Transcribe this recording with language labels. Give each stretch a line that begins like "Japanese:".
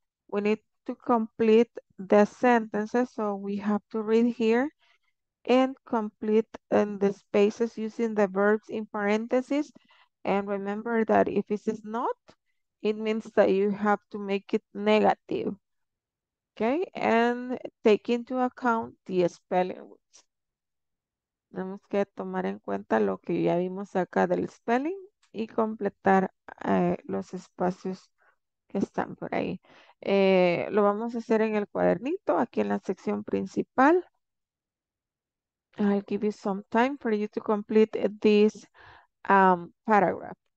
English: We need to complete the sentences, so we have to read here and complete in the spaces using the verbs in parentheses. And remember that if it is not, it means that you have to make it negative. Okay, and take into account the spelling rules.
Spanish: Tenemos que tomar en cuenta lo que ya vimos acá del spelling y completar los espacios que están por ahí. Lo vamos a hacer en el cuadernito, aquí en la sección principal.
English: I'll give you some time for you to complete this paragraph.